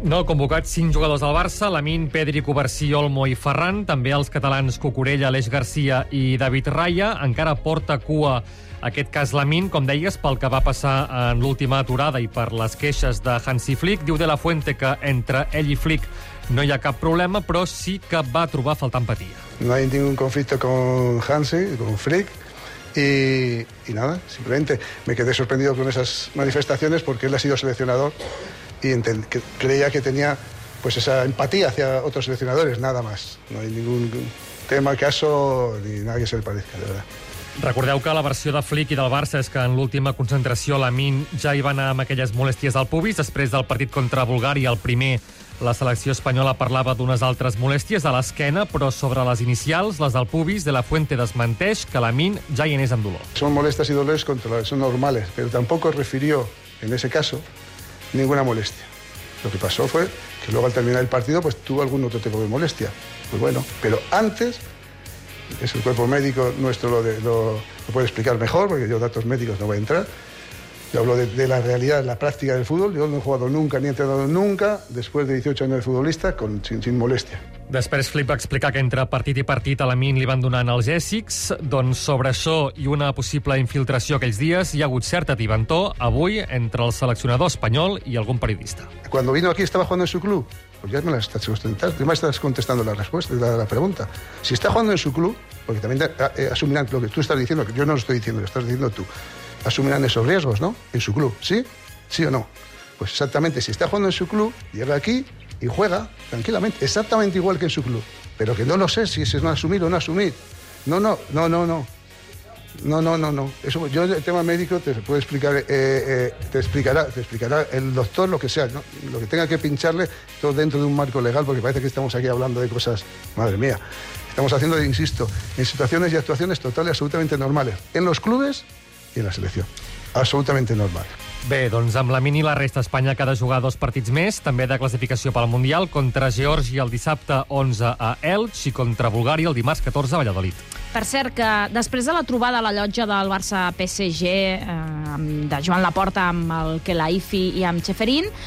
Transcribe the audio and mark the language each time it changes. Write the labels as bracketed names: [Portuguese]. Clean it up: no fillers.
[Catalan] No, convocats 5 jugadors del Barça, Lamine, Pedri, Cubarsí, Olmo i Ferran, també els catalans Cucurella, Aleix García i David Raya, encara porta cua aquest cas Lamine, com deies, pel que va passar en l'última aturada i per les queixes de Hansi Flick. Diu De La Fuente que entre ell i Flick no hi ha cap problema, però sí que va trobar faltar empatia. [Spanish] No hay ningún conflicto con Hansi, con Flick, y nada, simplemente me quedé sorprendido con esas manifestaciones porque él ha sido seleccionador y creía que tenía pues esa empatía hacia otros seleccionadores, nada más. No hay ningún tema, caso, ni nada que se le parezca, de verdad. [Catalan] Recordeu que la versió de Flick i del Barça és que en l'última concentració Lamine ja hi va anar amb aquelles molèsties al pubis. Després del partit contra Bulgària, el primer, la selecció espanyola parlava d'unes altres molèsties a l'esquena, però sobre les inicials, les del pubis, De La Fuente desmenteix que Lamine ja hi anés amb dolor. [Spanish] Son molestias y dolores controlables, son normales, pero tampoco refirió, en ese caso, ninguna molestia. Lo que pasó fue que luego al terminar el partido pues tuvo algún otro tipo de molestia. Pues bueno, pero antes... Es el cuerpo médico nuestro lo puede explicar mejor, porque yo datos médicos no voy a entrar. Yo hablo de la realidad, la práctica del fútbol. Yo no he jugado nunca ni he entrenado nunca después de 18 años de futbolista sin molestia. [Catalan] Després Flip va explicar que entre partit i partit a Lamine li van donar analgèsics. Doncs sobre això i una possible infiltració aquells dies hi ha hagut certa tibantor avui entre el seleccionador espanyol i algun periodista. [Spanish] Cuando vino aquí estaba jugando en su club. Ya me las estás contestando, ya me estás contestando la respuesta, la pregunta. Si está jugando en su club, porque también asumirán lo que tú estás diciendo, que yo no lo estoy diciendo, lo estás diciendo tú, asumirán esos riesgos, ¿no? En su club, ¿sí? ¿Sí o no? Pues exactamente, si está jugando en su club, llega aquí y juega tranquilamente, exactamente igual que en su club. Pero que no lo sé si es no asumir o no asumir. No. Eso, yo el tema médico te puedo explicar, te explicará el doctor lo que sea, ¿no? Lo que tenga que pincharle, todo dentro de un marco legal, porque parece que estamos aquí hablando de cosas, madre mía. Estamos haciendo, insisto, en situaciones y actuaciones totales absolutamente normales, en los clubes y en la selección. Absolutamente normal. [Catalan] Bé, doncs amb Lamine i la resta, Espanya que ha de jugar dos partits més, també de classificació pel Mundial, contra Geòrgia el dissabte 11 a Elx i contra Bulgària el dimarts 14 a Valladolid. Per cert, que després de la trobada a la llotja del Barça-PSG de Joan Laporta amb el Kelaifi i amb Txeferin.